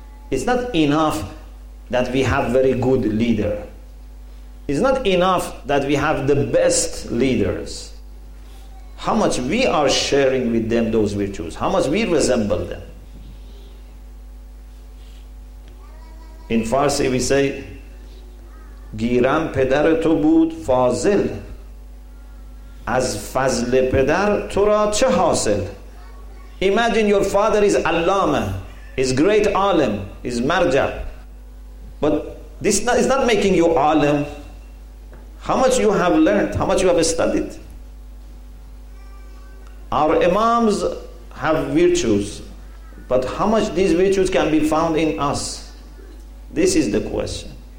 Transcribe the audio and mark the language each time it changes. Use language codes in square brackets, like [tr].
[en] It's not enough that we have very good leader. It's not enough that we have the best leaders. How much we are sharing with them those virtues, how much we resemble them. In Farsi we say [fa] گیرم پدر تو بود فاضل از فضل پدر تو را چه حاصل. [en] Imagine your father is Allama, is great alim, is marja, but this is not making you alim. How much you have learned, how much you have studied. Our imams have virtues, but how much these virtues can be found in us? This is the question.